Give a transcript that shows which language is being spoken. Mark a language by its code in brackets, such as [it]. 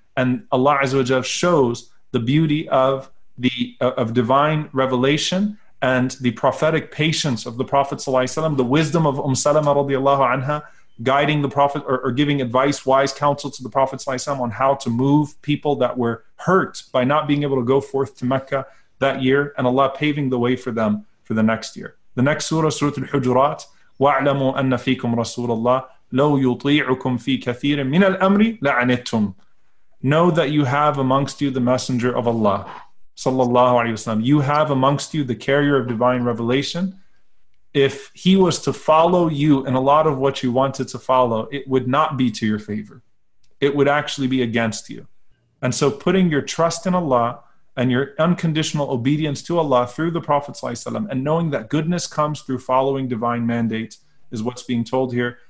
[en] And Allah azza wa jalla shows the beauty of the of divine revelation and the prophetic patience of the Prophet sallallahu alaihi wasallam, the wisdom of Salama radiallahu anha, guiding the Prophet or giving advice, wise counsel to the Prophet sallallahu alaihi wasallam on how to move people that were hurt by not being able to go forth to Mecca that year, and Allah paving the way for them for the next year. The next surah, Surah Al-Hujurat, [ar] وَاعْلَمُوا أَنَّ فِيكُمْ رَسُولَ اللَّهِ لَوْ يُطِيعُكُمْ فِي كَثِيرٍ مِنَ الْأَمْرِ لَعَنِتُمْ. [en] Know that you have amongst you the Messenger of Allah sallallahu alayhi wa sallam. You have amongst you the carrier of divine revelation. If he was to follow you in a lot of what you wanted to follow, it would not be to your favor. It would actually be against you. And so putting your trust in Allah and your unconditional obedience to Allah through the Prophet sallallahu alayhi wa sallam, and knowing that goodness comes through following divine mandates is what's being told here.